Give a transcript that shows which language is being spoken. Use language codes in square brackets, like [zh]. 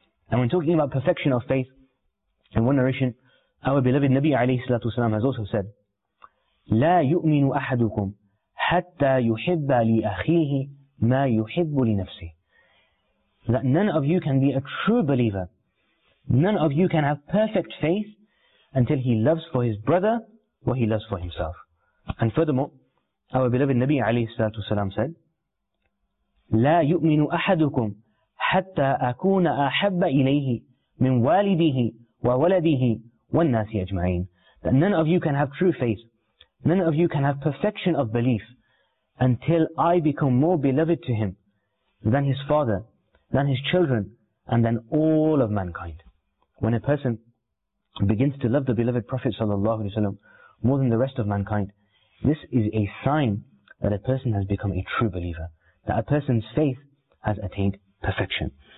[en] And when talking about perfection of faith, in one narration, our beloved Nabi alayhi salatu wasalam has also said, [ar] لَا يُؤْمِنُ أَحَدُكُمْ حَتَّى يُحِبَّ لِأَخِيهِ مَا يُحِبُّ لِنَفْسِهِ. [en] that none of you can be a true believer. None of you can have perfect faith until he loves for his brother what he loves for himself. And furthermore, our beloved Nabi alayhi salatu wasalam said, [ar] لا يؤمن أحدكم حتى أكون أحب إليه من والده وولده والناس أجمعين. [en] That none of you can have true faith, none of you can have perfection of belief until I become more beloved to him than his father, than his children, and than all of mankind. When a person begins to love the beloved Prophet sallallahu alaihi wasallam more than the rest of mankind, this is a sign that a person has become a true believer, that a person's faith has attained perfection.